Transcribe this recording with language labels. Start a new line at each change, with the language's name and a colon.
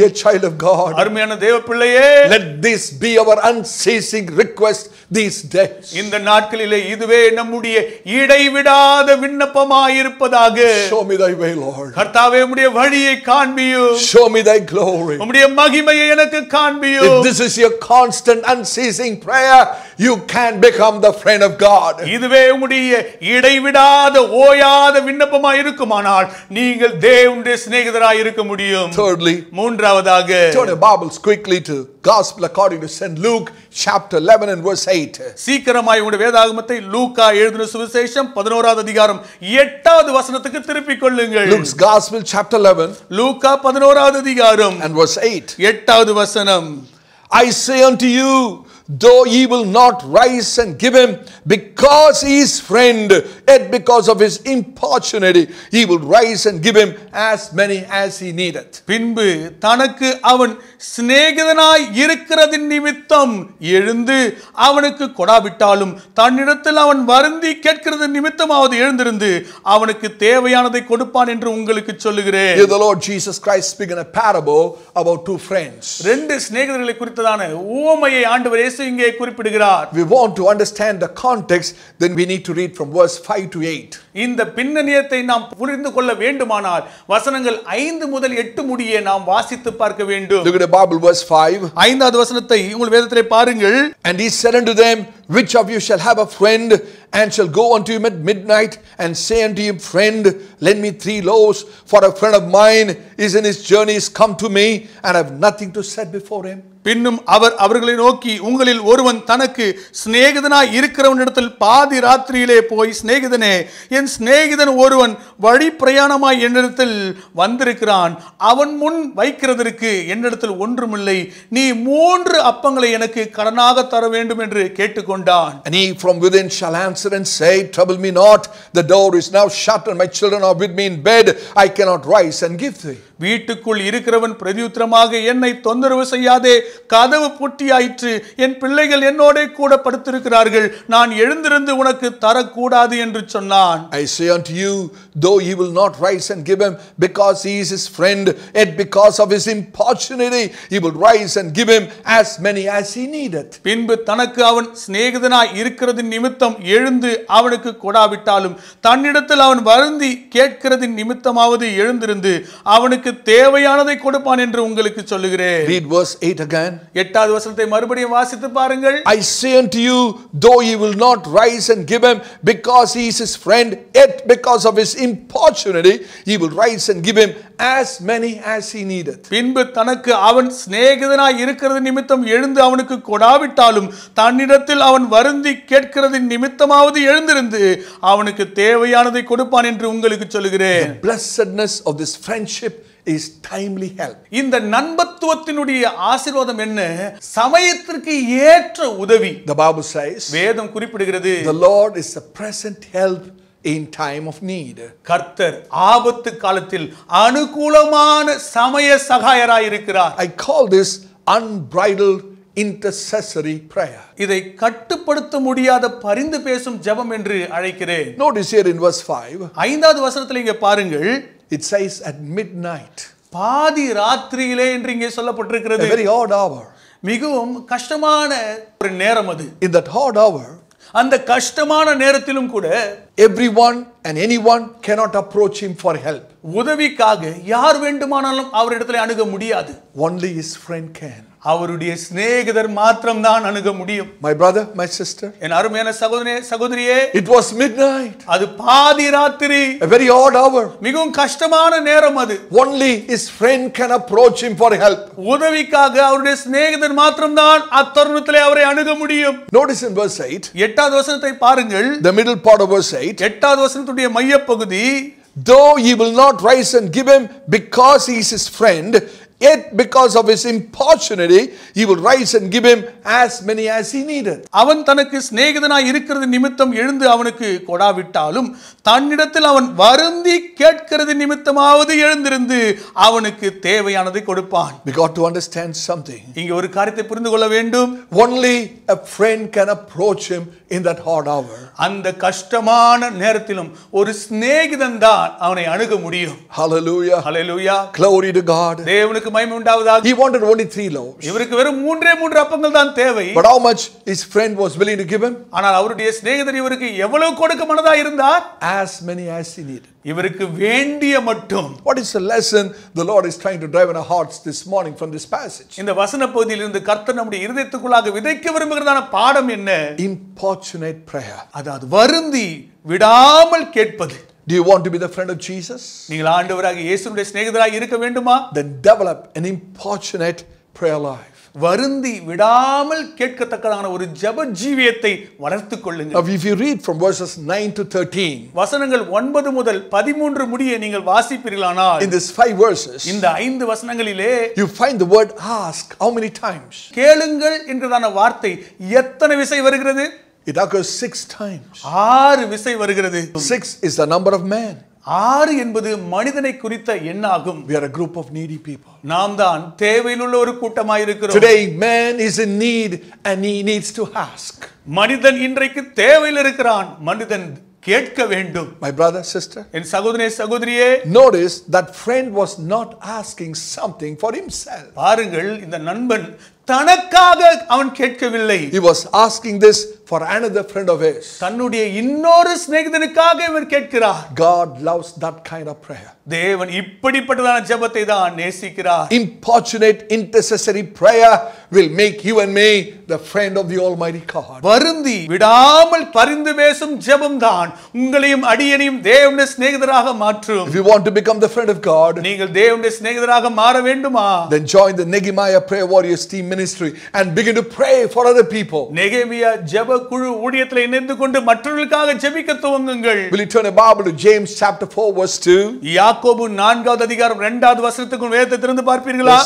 English: dear child of god
Tamil: அருமையான தேவப்பிள்ளையே
English: let this be our unceasing request these days
Tamil: இந்த நாட்களிலே இதுவே நம்முடைய இடைவிடாத விண்ணப்பமாய் இருப்பதாக
English: show me thy way lord
Tamil: கர்த்தாவே உம்முடைய வழியை காண்பியும்
English: show me thy glory
Tamil: உம்முடைய மகிமையை எனக்கு காண்பியும்
English: if this is your constant unceasing prayer you can become the friend of god
Tamil: இதுவே உம்முடைய இடைவிடாத ஓயாத விண்ணப்பமாய் இருக்குமானால் நீங்கள் தேவனுடைய சிநேகிதராய் இருக்க முடியும்
English: thirdly
Tamil: மூன்றாவதாக
English: turn your bibles quickly to gospel according to st luke chapter 11 and verse 8
Tamil: சீக்கிரமாய் உம்முடைய வேதாகமத்தை லூக்கா எழுதின சுவிசேஷம் 11வது அதிகாரம் 8வது வசனத்துக்கு திருப்பி கொள்ளுங்கள்
English: luke's gospel chapter 11
Tamil: லூக்கா 11வது அதிகாரம்
English: and verse 8
Tamil: 8வது வசனம்
English: I say unto you though he will not rise and give him because he is friend yet because of his importunity he will rise and give him as many as he needeth
Tamil: பின்பு தனக்கு அவன் சிநேகிதனாய் இருக்கிறதின் நிமித்தம் எழுந்து அவனுக்கு கொடாவிட்டாலும் தன்னிடத்தில் அவன் வருந்தி கேட்கிறது நிமித்தமாவது எழுந்திருந்து அவனுக்கு தேவையானதை கொடுப்பான் என்று உங்களுக்கு சொல்லுகிறேன்
English: the lord jesus christ speak in a parable about two friends
Tamil: ரெண்டு சிநேகிதர்களை குறித்ததான ஓமையை ஆண்டவர் இங்கே குறிப்பிடுகிறார்
English: we want to understand the context then we need to read from verse 5 to 8
Tamil: இந்த பின்னணியத்தை நாம் புரிந்து கொள்ள வேண்டுமானால் வசனங்கள் 5 முதல் 8 முடியே நாம் வாசித்து பார்க்க வேண்டும்
English: look at the bible verse 5
Tamil: ஐந்தாவது வசனத்தை உங்கள் வேதத்திலே பாருங்கள்
English: and he said unto them which of you shall have a friend and shall go unto him at midnight and say unto him friend lend me 3 loaves for a friend of mine is in his journey is come to me and I have nothing to set before him
Tamil: பின்னும் அவர் அவர்களை நோக்கி உங்களில் ஒருவன் தனக்கு சிநேகிதனாய் இருக்கிறவனிடத்தில் பாதி ராத்திரியிலே போய் சிநேகிதனே என் சிநேகிதன் ஒருவன் வழி பிரயாணமாய் என்னிடத்தில் வந்திருக்கிறான் அவன் முன் வைக்கிறதற்கு என்னிடத்தில் ஒன்றுமில்லை நீ 3 அப்பங்களை எனக்கு கடனாக தர வேண்டும் என்று கேட்டுக்கொண்டான்
English: and he from within shall answer and say trouble me not the door is now shut and my children are with me in bed I cannot rise and give thee
Tamil: வீட்டுக்குள் இருக்கிறவன் பிரதியுத்தரமாக என்னை தொந்தரவு செய்யாதே. கதவு பூட்டியாயிற்று, என் பிள்ளைகள் என்னோட கூட படுத்திருக்கிறார்கள், நான் எழுந்திருந்து உனக்கு தரக்கூடாது என்று சொன்னான்.
English: I say unto you, though he will not rise and give him because he is his friend, yet because of his importunity, he will rise and give him as many as he needeth.
Tamil: பின்பு தனக்கு அவன் சிநேகிதனாய் இருக்கிறதின் நிமித்தம் எழுந்து அவனுக்கு கொடாவிட்டாலும், தன்னிடத்தில் அவன் வருந்தி கேட்கிறதின் நிமித்தமாவது எழுந்திருந்து அவனுக்கு தேவையானதை கொடுப்பான் என்று உங்களுக்கு சொல்லுகிறேன்.
English: Read verse 8 again.
Tamil: எட்டாவது வசனத்தை மறுபடியும் வாசித்து பாருங்கள்.
English: I say unto you, though he will not rise and give him because he is his friend, yet because of his importunity, he will rise and give him as many as he needeth.
Tamil: பின்பு தனக்கு அவன் சிநேகிதனாய் இருக்கிறது நிமித்தம் எழுந்து அவனுக்கு கொடாவிட்டாலும், தன்னிடத்தில் அவன் வருந்தி கேட்கிறதின் நிமித்தமாவது எழுந்திருந்து அவனுக்கு தேவையானதை கொடுப்பான் என்று உங்களுக்கு சொல்லுகிறேன்.
English: The blessedness of this friendship is timely help.
Tamil: இந்த நண்பத்துவத்தினுடைய ஆசீர்வாதம் என்ன? சமயத்திற்கு ஏற்ற உதவி.
English: The Bible says,
Tamil: வேதம் குறிப்பிடுகிறது,
English: the Lord is a present help in time of need.
Tamil: கர்த்தர் ஆபத்து காலத்தில் அனுகூலமான சமய சகாயராய் இருக்கிறார்.
English: I call this unbridled intercessory prayer.
Tamil: இதை கட்டுப்படுத்த முடியாத பரிந்து பேசும் ஜெபம் என்று அழைக்கிறேன்.
English: Notice here in verse 5.
Tamil: ஐந்தாவது வசனத்தில் இங்கே பாருங்கள்.
English: It says at midnight.
Tamil: பாதி ராத்திரியிலே என்று இங்கே சொல்லப்பட்டிருக்கிறது.
English: A very odd hour.
Tamil: மிகவும் கஷ்டமான ஒரு நேரம் அது.
English: In that odd hour,
Tamil: அந்த கஷ்டமான நேரத்திலும் கூட,
English: everyone and anyone cannot approach him for help.
Tamil: உதவிக்காக யார் வேண்டுமானாலும் அவரிடத்தில் அணுக முடியாது.
English: Only his friend can.
Tamil: அவருடைய சிநேகிதர் மாத்திரம் தான் அணுக முடியும்.
English: My brother, my sister,
Tamil: என் அருமையான சகோதரனே, சகோதரியே,
English: it was midnight.
Tamil: அது பாதி ராத்திரி.
English: A very odd hour.
Tamil: மிகவும் கஷ்டமான நேரம் அது.
English: Only his friend can approach him for help.
Tamil: உதவிக்காக அவருடைய சிநேகிதர் மாத்திரம் தான் அத்தருணத்திலே அவரை அணுக முடியும்.
English: Notice in verse 8.
Tamil: எட்டாவது வசனத்தை பாருங்கள்.
English: The middle part of verse 8.
Tamil: எட்டாவது வசனத்துடைய மையப்பகுதி.
English: Though he will not rise and give him because he is his friend, yet because of his importunity, he will rise and give him as many as he needed.
Tamil: அவன் தனக்கு சிநேகிதனாய் இருக்கிறது நிமித்தம் எழுந்து அவனுக்கு கொடாவிட்டாலும், தன்னிடத்தில் அவன் வருந்தி கேட்கிறது நிமித்தமாவது எழுந்திருந்து அவனுக்கு தேவையானதை கொடுப்பான்.
English: We got to understand something.
Tamil: இங்க ஒரு காரியத்தை புரிந்து கொள்ள வேண்டும்.
English: Only a friend can approach him in that hard hour.
Tamil: அந்த கஷ்டமான நேரத்திலும் ஒரு சிநேகிதன் தான் அவனை அணுக முடியும்.
English: Hallelujah. Hallelujah. Glory to God.
Tamil: தேவனுக்கு மகிமை உண்டாவதாக.
English: He wanted only 3 loaves.
Tamil: இவருக்கு வெறும் மூன்றே அப்பங்கள் தான் தேவை.
English: But how much his friend was willing to give him?
Tamil: ஆனால் அவருடைய சிநேகிதர் இவருக்கு எவ்வளவு கொடுக்க மனதா இருந்தார்?
English: As many as he needed.
Tamil: இவருக்கு வேண்டிய மட்டும்.
English: What is the lesson the Lord is trying to drive in our hearts this morning from this passage?
Tamil: இந்த வசன பகுதியிலிருந்து கர்த்தர் நம்முடைய இருதயத்துக்குள்ளாக விதைக்க விரும்புகிறதான பாடம் என்ன?
English: Importunate prayer.
Tamil: அதாவது வருந்தி விடாமல் கேட்பது.
English: Do you want to be the friend of Jesus?
Tamil: நீங்கள் ஆண்டவராகிய இயேசுவின் சிநேகிதராக இருக்க வேண்டுமா?
English: Then develop an importunate prayer life.
Tamil: வருந்தி விடாமல் கேட்கத்தக்கதான ஒரு ஜெப ஜீவியத்தை வளர்த்துக் கொள்ளுங்கள்.
English: Now if you read from verses 9 to 13.
Tamil: வசனங்கள் 9 முதல் 13 முடியே நீங்கள் வாசிப்பீர்களானால்,
English: in these 5 verses,
Tamil: இந்த 5 வசனங்களிலே
English: you find the word ask how many times?
Tamil: கேளுங்கள் என்கிறதான வார்த்தை எத்தனை விசை வருகிறது?
English: It occurs 6 times.
Tamil: 6 விசை வருகிறது.
English: 6 is the number of man.
Tamil: 6 என்பது மனிதனை குறித்த எண்ணாகும்.
English: We are a group of needy people.
Tamil: நாம் தான் தேவையுள்ள ஒரு கூட்டமாய் இருக்கிறோம்.
English: Today man is in need and he needs to ask.
Tamil: மனிதன் இன்றைக்கு தேவையில் இருக்கிறான். மனிதன் கேட்க வேண்டும்.
English: My brother, sister,
Tamil: என் சகோதரனே, சகோதரியே,
English: notice that friend was not asking something for himself.
Tamil: பாருங்கள், இந்த நண்பன் தனக்காக அவன் கேட்கவில்லை.
English: He was asking this for another friend of his.
Tamil: தன்னுடைய இன்னொரு சிநேகிதனுக்காக இவர் கேட்கிறார்.
English: God loves that kind of prayer.
Tamil: தேவன் இப்படிப்பட்டதான ஜெபத்தை தான் நேசிக்கிறார்.
English: Importunate intercessory prayer will make you and me the friend of the Almighty God.
Tamil: வருந்தி விடாமல் பரிந்து பேசும் ஜெபம் தான் உங்களையும் அடியனையும் தேவனுடைய சிநேகிதராக மாற்றும்.
English: If you want to become the friend of God,
Tamil: நீங்கள் தேவனுடைய சிநேகிதராக மாற வேண்டுமா?
English: Then join the Nehemiah Prayer Warriors team ministry and begin to pray for other people.
Tamil: நெகேமியா ஜெப குழு ஊழியத்தில் இணைந்து கொண்டு மற்றவர்களுக்காக ஜெபிக்க துவங்குங்கள்.
English: Will you turn a Bible to James chapter 4 verse 2?
Tamil: யாக்கோபு 4வது அதிகாரம் 2வது வசனத்துக்கும் வேதத்தை திறந்து பார்ப்பீர்களா?